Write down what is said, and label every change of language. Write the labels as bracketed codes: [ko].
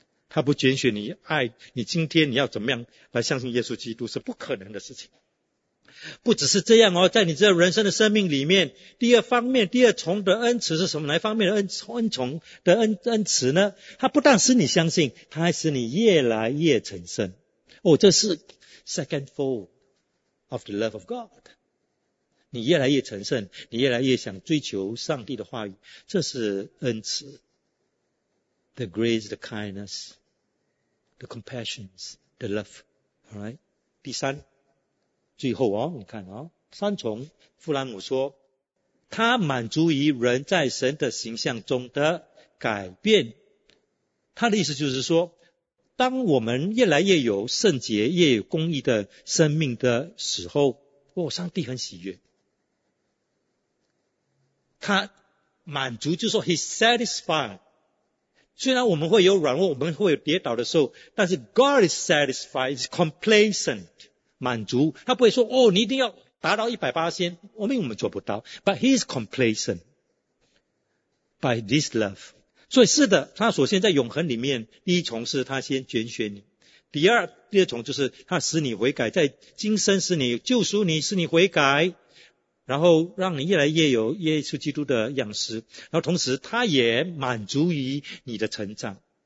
[zh] 他不拣选你爱你，今天你要怎么样来相信耶稣基督是不可能的事情。不只是这样哦，在你这人生的生命里面，第二方面，第二重的恩慈是什么？哪一方面的恩重的恩慈呢？他不但使你相信，他还使你越来越成圣。哦，这是 [en] second fold of the love of God。 [zh] 你越来越成圣，你越来越想追求上帝的话语，这是恩慈。 [en] The grace, the kindness, the compassions, the love. Alright? [zh] 第三，最后哦，你看哦，三重，弗兰姆说，他满足于人在神的形象中的改变。他的意思就是说，当我们越来越有圣洁，越有公义的生命的时候，哦，上帝很喜悦。他满足就是说 [en] He's satisfied。 [zh] 虽然我们会有软弱，我们会有跌倒的时候，但是 [en] God is satisfied, is complacent, [zh] 满足。他不会说哦，你一定要达到 100%, 我们做不到。 [en] But he is complacent by this love. [zh] 所以是的，他首先在永恒里面，第一重是他先拣选你。第二重就是他使你悔改，在今生使你救赎你，使你悔改。然后让你越来越有耶稣基督的样式，然后同时他也满足于你的成长。